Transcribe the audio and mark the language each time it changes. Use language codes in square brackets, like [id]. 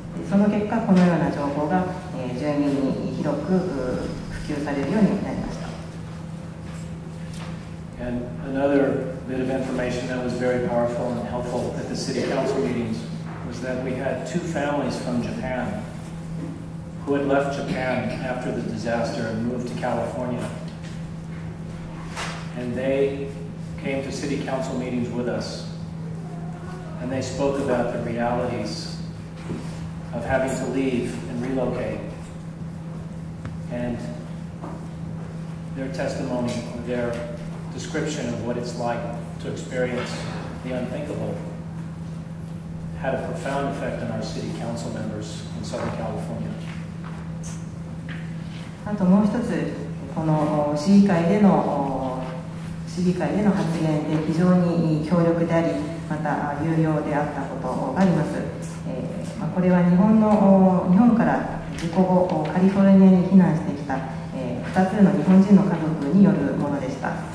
[ja] その結果、このような情報が住民に広く普及されるようになりました。 [en] And another bit of information that was very powerful and helpful at the city council meetings was that we had two families from Japan who had left Japan after the disaster and moved to California. And they came to city council meetings with us and they spoke about the realities. Of having to leave and relocate. And their testimony, their description of what it's like to experience the unthinkable, had a profound effect on our city council members in Southern California. [ja] あともう一つ、この市議会での発言で非常に強力であり、また有用であったことがあります。これは日本から事故後カリフォルニアに避難してきた2つの日本人の家族によるものでした。